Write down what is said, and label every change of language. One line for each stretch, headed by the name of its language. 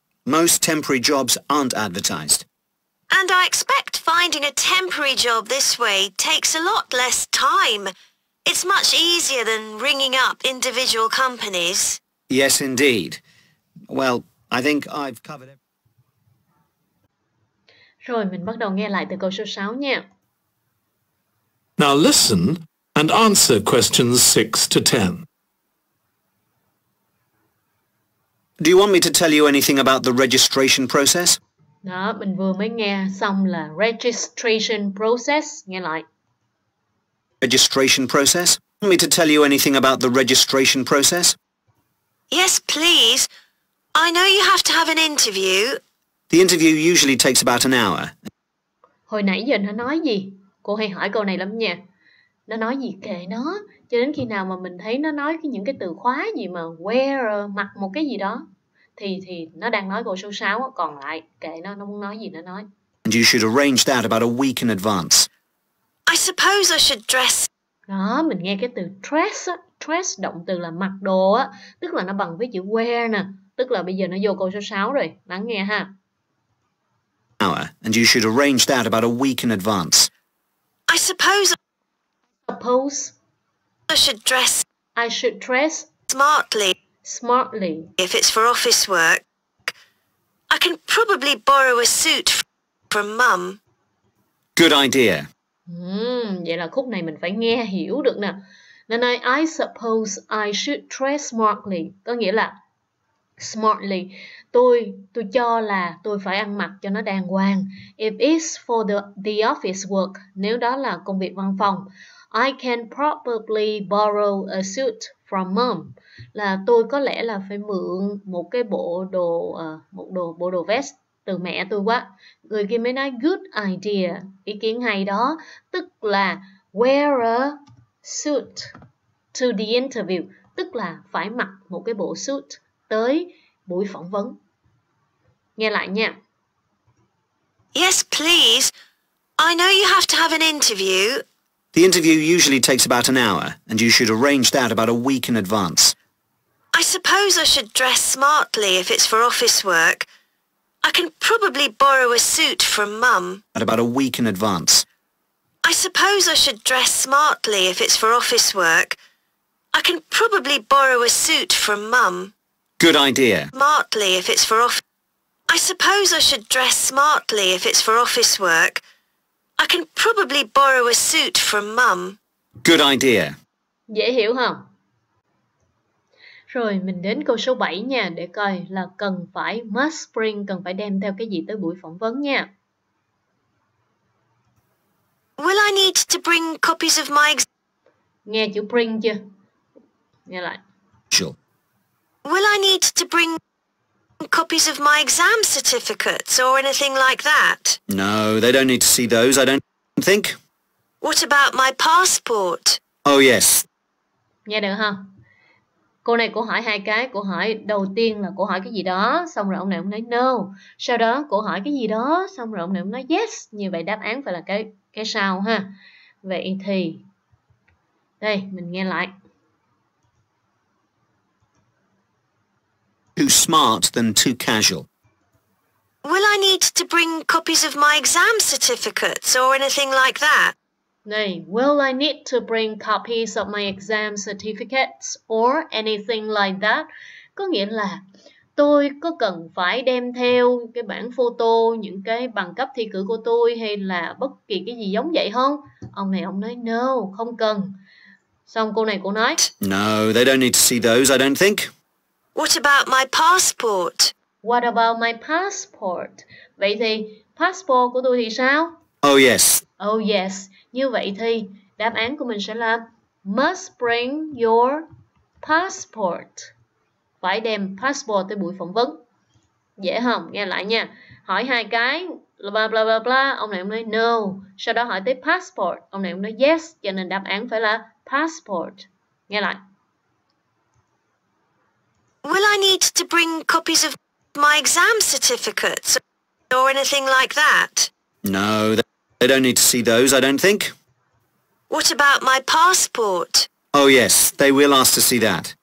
English: Most temporary jobs aren't advertised. And I expect finding a temporary job this way takes a lot less time. It's much easier than ringing up individual companies. Yes, indeed. Well, I think I've covered it.
Vietnamese: Rồi, mình bắt đầu nghe lại từ câu số 6 nha.
English: Now listen and answer questions 6 to 10. Do you want me to tell you anything about the registration process?
Vietnamese: Đó, mình vừa mới nghe xong là
English: registration process.
Vietnamese: Nghe lại.
English: Registration process? Do you want me to tell you anything about the registration process? Yes, please. I know you have to have an interview. The interview usually takes about an hour.
Vietnamese: Hồi nãy giờ nó nói gì? Cô hay hỏi câu này lắm nha. Nó nói gì kệ nó. Cho đến khi nào mà mình thấy nó nói những cái từ khóa gì mà where, mặc một cái gì đó. Thì nó đang nói câu số 6. Còn lại kệ nó muốn nói gì nó nói.
English: And you should arrange that about a week in advance. I suppose I should dress.
Vietnamese: Đó, mình nghe cái từ dress á. Dress động từ là mặc đồ á. Tức là nó bằng với chữ wear nè. Tức là bây giờ nó vô câu số 6 rồi. Lắng nghe ha.
English: Hour, and you should arrange that about a week in advance. I suppose I should dress. I should dress smartly. Smartly. If it's for office work, I can probably borrow a suit from Mum. Good idea.
Vietnamese: Vậy là khúc này mình phải nghe hiểu được nè. Nên nói
English: I suppose I should dress smartly
Vietnamese: có nghĩa là smartly. Tôi cho là tôi phải ăn mặc cho nó đàng hoàng.
English: If it's for the office work,
Vietnamese: nếu đó là công việc văn phòng.
English: I can probably borrow a suit from Mum.
Vietnamese: Là tôi có lẽ là phải mượn một cái bộ đồ vest từ mẹ tôi quá. Người kia mới nói
English: good idea,
Vietnamese: ý kiến hay đó. Tức là
English: wear a suit to the interview.
Vietnamese: Tức là phải mặc một cái bộ suit tới buổi phỏng vấn. Nghe lại nha.
English: Yes, please. I know you have to have an interview. The interview usually takes about an hour, and you should arrange that about a week in advance. I suppose I should dress smartly if it's for office work. I can probably borrow a suit from Mum. At about a week in advance. I suppose I should dress smartly if it's for office work. I can probably borrow a suit from Mum. Good idea. Smartly if it's for off. I suppose I should dress smartly if it's for office work. I can probably borrow a suit from Mum. Good idea.
Vietnamese: Dễ hiểu không? Rồi mình đến câu số 7 nha, để coi là cần phải must bring, cần phải đem theo cái gì tới buổi phỏng vấn nha.
English: Will I need to bring copies of my
Vietnamese: Nghe chữ bring chưa? Nghe lại.
English: Sure. Will I need to bring copies of my exam certificates or anything like that? No, they don't need to see those, I don't think. What about my passport? Oh yes.
Vietnamese: Nghe được không? Cô này cô hỏi hai cái, cô hỏi đầu tiên là cô hỏi cái gì đó, xong rồi ông này ông nói no. Sau đó cô hỏi cái gì đó, xong rồi ông này ông nói yes. Như vậy đáp án phải là cái sau ha. Vậy thì đây mình nghe lại.
English: Too smart than too casual. Will I need to bring copies of my exam certificates or anything like that? Này, will I need to bring copies of my exam certificates or anything like that?
Vietnamese: Có nghĩa là tôi có cần phải đem theo cái bản photo, những cái bằng cấp thi cử của tôi hay là bất kỳ cái gì giống vậy không? Ông này ông nói no, không cần. Xong cô này cô nói
English: no, they don't need to see those, I don't think. What about my passport? What about my passport?
Vietnamese: Vậy thì passport của tôi thì sao?
English: Oh yes. Oh yes.
Vietnamese: Như vậy thì đáp án của mình sẽ là
English: must bring your passport.
Vietnamese: Phải đem passport tới buổi phỏng vấn. Dễ không? Nghe lại nha. Hỏi hai cái bla bla bla bla, ông này ông nói no. Sau đó hỏi tới passport, ông này ông nói yes, cho nên đáp án phải là passport. Nghe lại.
English: Will I need to bring copies of my exam certificates or anything like that? No. They don't need to see those, I don't think. What about my passport? Oh yes, they will ask to see that.